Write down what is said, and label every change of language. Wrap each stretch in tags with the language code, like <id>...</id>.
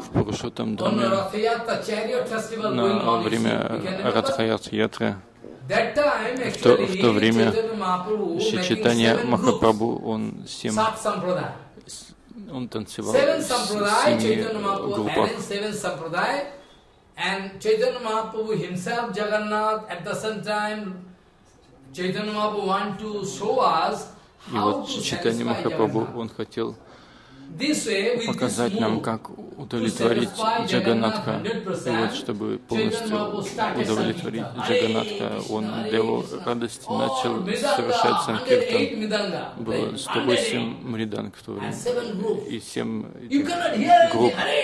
<ru>В Пурушоттам Даме, на время Радха-ятры, в то время Шри Чайтанья Махапрабху, он танцевал с семи группами.</ru> <en>And Chaitanya Mahaprabhu himself, Jagannath, at the same time, Chaitanya Mahaprabhu want to show us how to satisfy Jagannath.</en> <ru>И вот Чайтанья Махапрабху, он хотел показать нам, как удовлетворить Джаганатха. И вот, чтобы полностью удовлетворить Джаганатха, он для его радости начал совершать санкиртан. Было 108 мриданг в то время. И 7 групп.</ru>